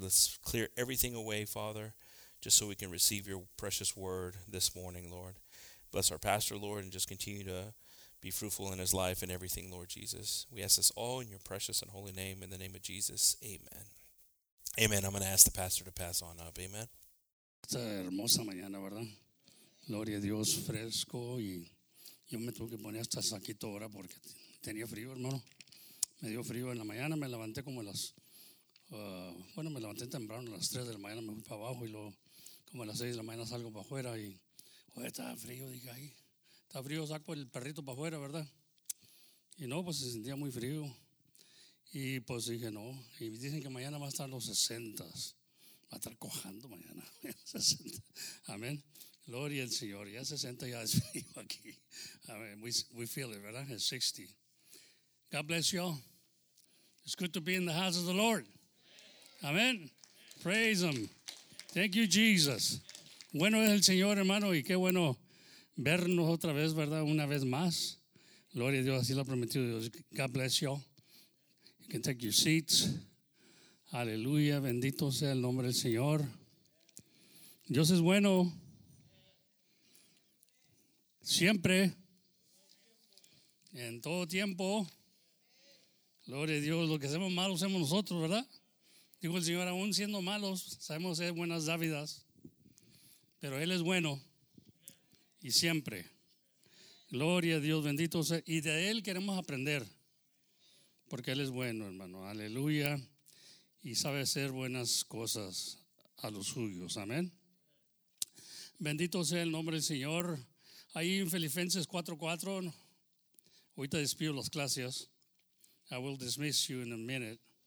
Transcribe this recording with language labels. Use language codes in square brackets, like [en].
[en] Let's clear everything away, Father, just so we can receive your precious word this morning, Lord. Bless our pastor, Lord, and just continue to be fruitful in his life and everything, Lord Jesus. We ask this all in your precious and holy name, in the name of Jesus. Amen. Amen. I'm going to ask the pastor to pass on up. Amen. [es] Esta hermosa mañana, ¿verdad? Gloria a Dios, fresco. Y yo me tuve que poner hasta saquito ahora porque tenía frío, hermano. Me dio frío en la mañana. Me levanté como me levanté temprano a las 3 de la mañana. Me fui para abajo y luego como a las 6 de la mañana salgo para afuera. Y, oye, estaba frío, dije ahí. Está frío, saco el perrito para afuera, ¿verdad? Y no, pues se sentía muy frío. Y pues dije, no. Y dicen que mañana va a estar los 60. Va a estar cojando mañana. 60. Amén. Gloria al Señor. Ya 60 ya es frío aquí. Amén. [en] We feel it, [es] ¿verdad? [en] It's 60. God bless you all. It's good to be in the house of the Lord. Amén. Praise Him. Thank you, Jesus. [es] Bueno es el Señor, hermano, y qué bueno vernos otra vez, ¿verdad? Una vez más. Gloria a Dios, así lo ha prometido Dios. [en] God bless you all. You can take your seats. [es] Aleluya, bendito sea el nombre del Señor. Dios es bueno. Siempre. En todo tiempo. Gloria a Dios, lo que hacemos malos somos nosotros, ¿verdad? Dijo el Señor, aún siendo malos, sabemos ser buenas dávidas. Pero Él es bueno. Y siempre. Gloria a Dios, bendito sea. Y de Él queremos aprender. Porque Él es bueno, hermano. Aleluya. Y sabe hacer buenas cosas a los suyos. Amén. Bendito sea el nombre del Señor. Ahí en Filipenses 4:4. Ahorita despido las clases. [en] I will dismiss you in a minute.